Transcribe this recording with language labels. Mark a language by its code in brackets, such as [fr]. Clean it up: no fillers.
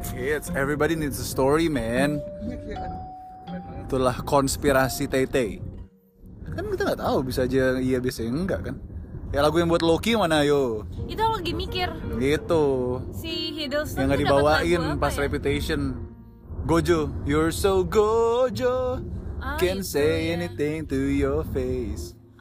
[en] hits, everybody needs a story man. [id] Itulah konspirasi Tete, kan kita nggak tahu, bisa aja iya bisa enggak kan. Ya lagu yang buat Loki mana, yo itu lagi mikir gitu si Hiddleston yang nggak dibawain pas ya? [en] Reputation Gojo, you're so Gojo. Can't say anything to your face.